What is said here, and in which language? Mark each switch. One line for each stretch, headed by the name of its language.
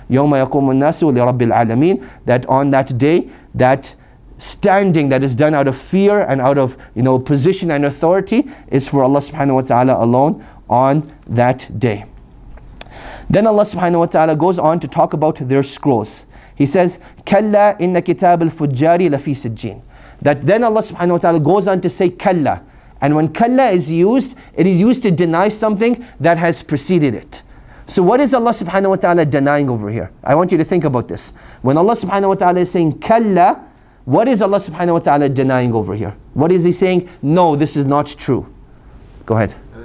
Arabic: يَوْمَ يَقُومُ النَّاسُ لِرَبِّ الْعَالَمِينَ.
English: That on that day, that standing that is done out of fear and out of, you know, position and authority is for Allah subhanahu wa ta'ala alone on that day. Then Allah subhanahu wa ta'ala goes on to talk about their scrolls. He says,
Arabic: كَلَّا إِنَّ كِتَابِ الْفُجَّارِ لَفِي سِجِّينَ.
English: That then Allah subhanahu wa ta'ala goes on to say, كَلَّا. And when كَلَّا is used, it is used to deny something that has preceded it. So what is Allah subhanahu wa ta'ala denying over here? I want you to think about this. When Allah subhanahu wa ta'ala is saying, كَلَّا, what is Allah subhanahu wa ta'ala denying over here? What is he saying? No, this is not true. Go ahead.